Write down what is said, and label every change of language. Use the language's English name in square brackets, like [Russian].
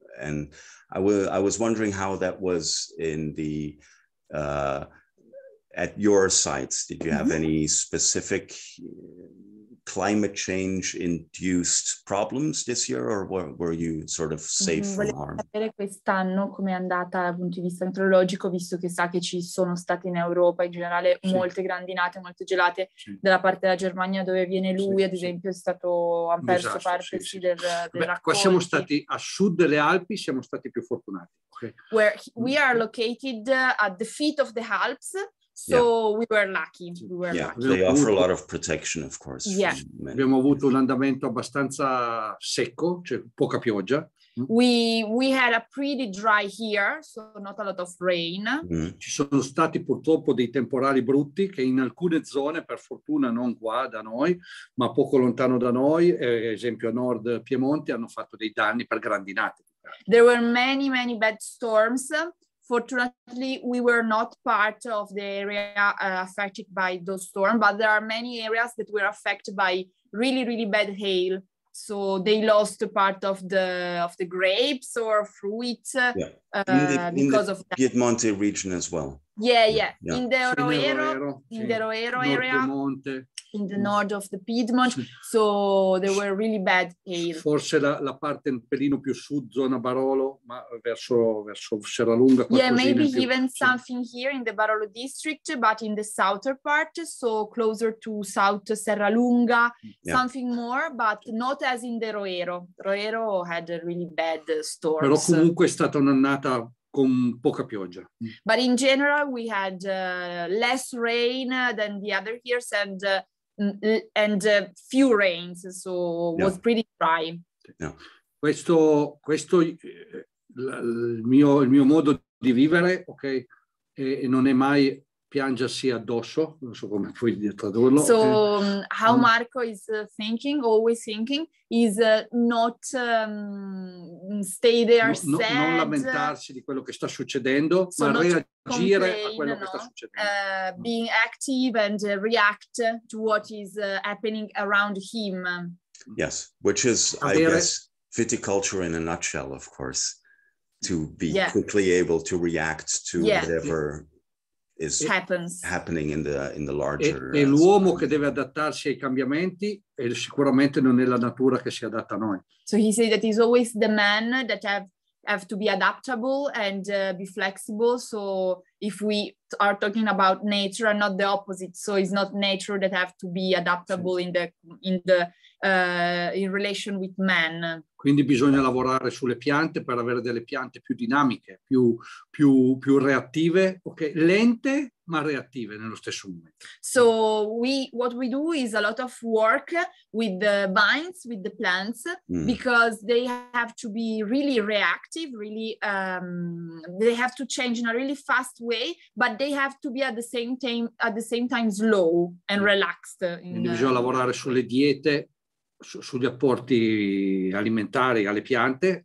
[English] And I was wondering how that was in the at your sites. Did you have any specific climate change induced problems this year, or were you sort of safe from harm? [Italian] Volevo sapere quest'anno com'è andata dal punto di vista meteorologico, visto che sa che ci sono state in Europa in generale molte grandinate, molte gelate dalla parte della Germania dove viene lui, ad esempio, è stato perso parte del raccolto. Qua siamo stati a sud delle Alpi, siamo stati più fortunati. [English] Where we are located at the feet of the Alps. So we were lucky. We were lucky. They offer a lot of protection, of course. Yeah. [Italian] Abbiamo avuto un andamento abbastanza secco, cioè poca pioggia. [English] We had a pretty dry year, so not a lot of rain. Mm. [Italian] Ci sono stati purtroppo dei temporali brutti che in alcune zone, per fortuna non qua da noi, ma poco lontano da noi, esempio a nord Piemonte, hanno fatto dei danni per grandinate. [English] There were many, many bad storms. Fortunately, we were not part of the area affected by those storms, but there are many areas that were affected by really, really bad hail. So they lost a part of the grapes or fruit because of that. Piedmonte region as well. Yeah. In the Roero, area. Piedmonte. In the north of the Piedmont, so there were really bad hail. [Italian] Forse la parte un pelino più sud, zona Barolo, ma verso Serralunga. [English] Yeah, maybe even something here in the Barolo district, but in the southern part, so closer to south Serralunga, something more, but not as in the Roero. Roero had a really bad storm. [Italian] Però comunque è stata un'annata con poca pioggia. [English] But in general we had less rain than the other years and few rains, so was pretty dry. [Italian] Questo il mio modo di vivere, ok, e non è mai piangersi addosso, non so come puoi tradurlo. [English] So how Marco is thinking is not stay there no, sad. [Italian] Non lamentarsi di quello che sta succedendo, [English] so [Italian] ma reagire [English] complain, [Italian] a quello che sta succedendo. [English] Being active and react to what is happening around him. Yes, which is, I guess, viticulture in a nutshell, of course, to be quickly able to react to whatever happening in the larger. [Italian] È l'uomo che deve adattarsi ai cambiamenti e sicuramente non è la natura che si adatta a noi. [English] So he said that he's always the man that have to be adaptable and be flexible. So if we are talking about nature and not the opposite, so it's not nature that have to be adaptable in relation with man. [Italian] Quindi bisogna lavorare sulle piante per avere delle piante più dinamiche, più reattive, ok, lente ma reattive nello stesso momento. [English] So what we do is a lot of work with the vines, with the plants, because they have to be really reactive, really they have to change in a really fast way, but they have to be at the same time slow and relaxed. [Italian] Bisogna lavorare sulle diete, sugli apporti alimentari alle piante.